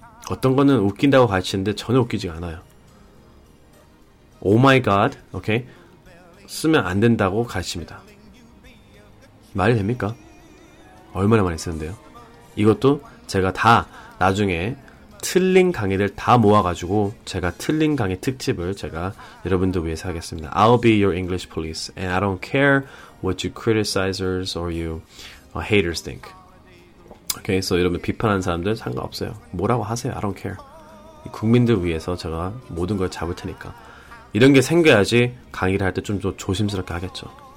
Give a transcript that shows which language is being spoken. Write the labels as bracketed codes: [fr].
[ko] 어떤 거는 웃긴다고 가르치는데 전혀 웃기지 않아요. 오 마이 갓 오케이 쓰면 안 된다고 가르칩니다. 말이 됩니까? 얼마나 많이 쓰는데요? 이것도 제가 다 나중에 틀린 강의를 다 모아가지고 제가 틀린 강의 특집을 제가 여러분들 위해서 하겠습니다. [en] I'll be your English police and I don't care what you criticizers or you haters think. [ko] Okay, so 여러분 비판하는 사람들 상관없어요. 뭐라고 하세요? [en] I don't care. [ko] 국민들 위해서 제가 모든 걸 잡을 테니까. 이런 게 생겨야지 강의를 할 때 좀 더 조심스럽게 하겠죠.